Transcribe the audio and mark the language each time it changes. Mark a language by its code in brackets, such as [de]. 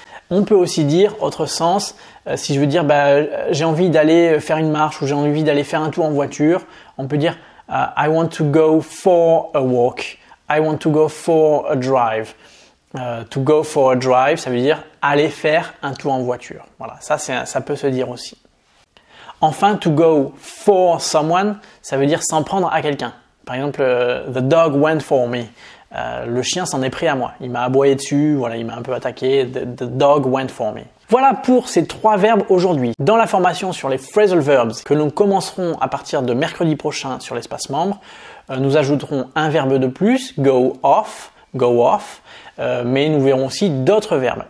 [fr] On peut aussi dire, autre sens, si je veux dire j'ai envie d'aller faire une marche ou j'ai envie d'aller faire un tour en voiture, on peut dire [en] I want to go for a walk, I want to go for a drive. [fr] To go for a drive, ça veut dire aller faire un tour en voiture. Voilà, ça peut se dire aussi. Enfin, to go for someone, ça veut dire s'en prendre à quelqu'un. Par exemple, [en] the dog went for me. [fr] Le chien s'en est pris à moi. Il m'a aboyé dessus, voilà, il m'a un peu attaqué. [en] The dog went for me. [fr] Voilà pour ces trois verbes aujourd'hui. Dans la formation sur les phrasal verbs que nous commencerons à partir de mercredi prochain sur l'espace membre, nous ajouterons un verbe de plus, go off, mais nous verrons aussi d'autres verbes.